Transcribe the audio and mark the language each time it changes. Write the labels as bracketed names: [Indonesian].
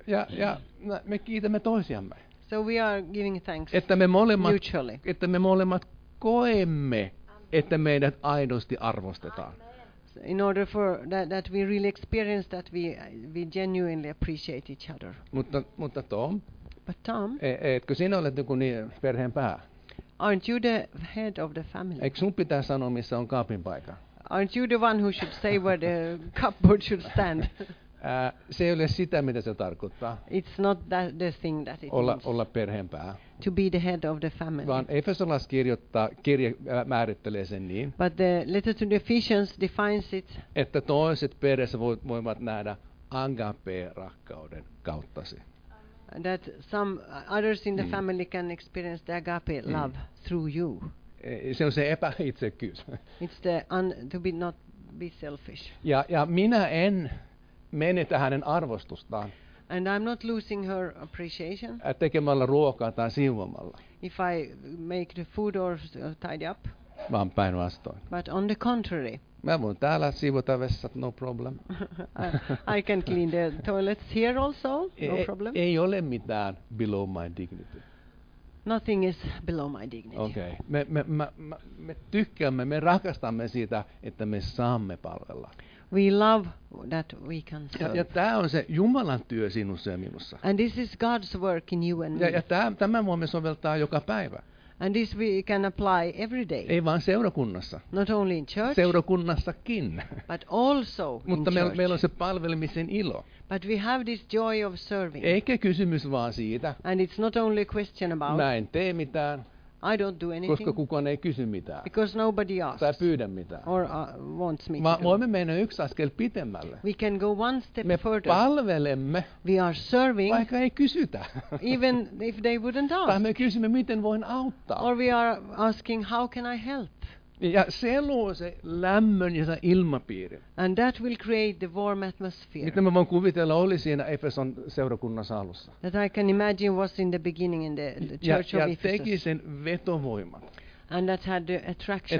[Finnish] ja me kiitämme toisiamme. [English] So we are giving thanks. [Finnish] Että me molemmat [English] mutually. [Finnish] Että me molemmat koemme, että meidät aidosti arvostetaan. [English] In order for that we really experience that we genuinely appreciate each other. [Finnish] Mutta Tom. [English] But Tom. [Finnish] Etkö sinä olet joku niin perheen pää? [English] Aren't you the head of the family? [Finnish] Eikö sun pitää sanoa, missä on kaapin paikka? [English] Aren't you the one who should say where the cupboard should stand? [Finnish] Se ei ole sitä, mitä se tarkoittaa. [English] It's not that the thing that it means. [Finnish] Olla perheen pää. [English] To be the head of the family. [Finnish] Vaan Efesolais kirjoittaa, kirja määrittelee sen niin. [English] But the letter to the Ephesians defines it. [Finnish] Että toiset perheessä voivat nähdä agape-rakkauden kauttasi. [English] That some others in the family can experience the agape love through you. [Finnish] Se on se epäitsekkyys. [English] It's the to be not be selfish. [Finnish] Ja minä en menetä hänen arvostustaan. [English] And I'm not losing her appreciation. [Finnish] Tekemällä ruokaa tai siivomalla. [English] If I make the food or tidy up. [Finnish] Vaan päinvastoin. [English] But on the contrary. [Finnish] Mä voin täällä siivota vessat, [English] no problem. I can clean the toilets here also, no problem. [Finnish] Ei ole mitään [English] below my dignity. Nothing is below my dignity. [Finnish] Okei. [English] Okay. [Finnish] Me tykkäämme, me rakastamme siitä, että me saamme palvella. [English] We love that we can serve. [Finnish] Ja tämä on se Jumalan työ sinussa ja minussa. [English] And this is God's work in you and me. [Finnish] Ja tämä voimme soveltaa joka päivä. [English] And this we can apply every day. [Finnish] Ei vaan seurakunnassa. [English] Not only in church. [Finnish] Seurakunnassakin. [English] But also in church. [Finnish] Mutta meillä on se palvelemisen ilo. [English] But we have this joy of serving. [Finnish] Eikä kysymys vaan siitä. [English] And it's not only a question about. [Finnish] Mä en tee mitään. [English] I don't do anything. [Finnish] Koska kukaan ei kysy mitään. [English] Because nobody asks. [Finnish] Tai pyydä mitään. [English] Or wants me. [Finnish] Voimme mennä yksi askel pitemmälle. [English] We can go one step [Finnish] me [English] further. [Finnish] Me palvelemme. [English] We are serving. [Finnish] Vaikka ei kysytä. [English] Even if they wouldn't ask. [Finnish] Tai me kysymme, miten voin auttaa. [English] Or we are asking, how can I help? [Finnish] Ja se luo se lämmön ja se ilmapiiri. [English] And that will create the warm atmosphere. [Finnish] Miten mä voin kuvitella, oli siinä Efeson seurakunnassa alussa. [English] That I can imagine was in the beginning in the church [Finnish] ja [English] of Ephesus. [Finnish] Ja teki sen vetovoiman. [English] And that had the attraction.